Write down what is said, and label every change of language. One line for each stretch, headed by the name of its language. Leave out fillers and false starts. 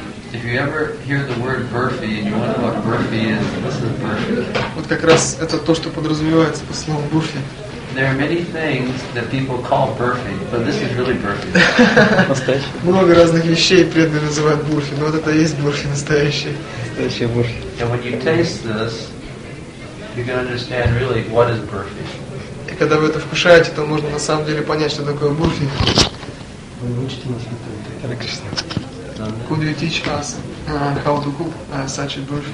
English: If you ever hear the word Burfi and you wonder what Burfi is, this is Burfi.
Russian: Вот как раз это то, что подразумевается по слову Burfi.
English: There are many things that people call Burfi, but this is really Burfi.
Russian: Много разных вещей преданные называют Burfi, но вот это и есть Burfi настоящий. Настоящий Burfi.
English: And when you taste this, you can understand really what is Burfi.
Russian: И когда вы это вкушаете, то можно на самом деле понять, что такое Burfi. Вы учите нас это, Хари Кришна.
English: Could you teach us how to cook such a Burfi?